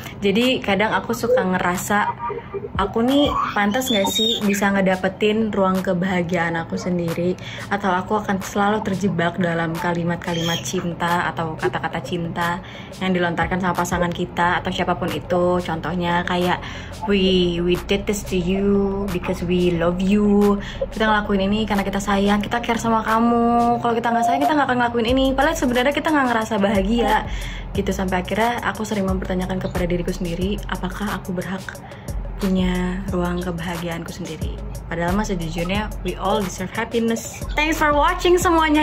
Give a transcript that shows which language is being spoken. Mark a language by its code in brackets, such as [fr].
[id] Jadi kadang aku suka ngerasa, aku nih pantas gak sih bisa ngedapetin ruang kebahagiaan aku sendiri, atau aku akan selalu terjebak dalam kalimat-kalimat cinta atau kata-kata cinta yang dilontarkan sama pasangan kita atau siapapun itu. Contohnya kayak [en] we did this to you because we love you. [id] Kita ngelakuin ini karena kita sayang, kita care sama kamu. Kalau kita gak sayang, kita gak akan ngelakuin ini. Padahal sebenarnya kita gak ngerasa bahagia gitu. Sampai akhirnya aku sering mempertanyakan kepada diriku sendiri, apakah aku berhak punya ruang kebahagiaanku sendiri. Padahal mah sejujurnya [en] we all deserve happiness. Thanks for watching [id] semuanya.